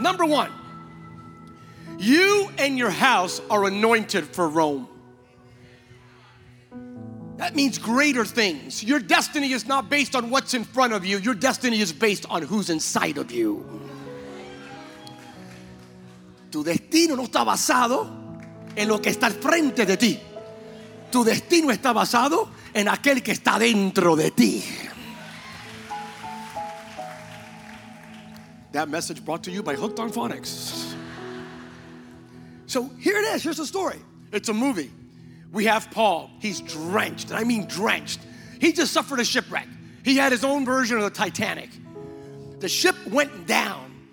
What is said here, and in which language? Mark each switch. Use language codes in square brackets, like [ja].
[en] Number one, you and your house are anointed for Rome. That means greater things. Your destiny is not based on what's in front of you. Your destiny is based on who's inside of you. [es] Tu destino no está basado en lo que está al frente de ti. Tu destino está basado en aquel que está dentro de ti. [en] That message brought to you by Hooked on Phonics. So here it is. Here's the story. It's a movie. We have Paul. He's drenched. I mean drenched. He just suffered a shipwreck. He had his own version of the Titanic. The ship went down.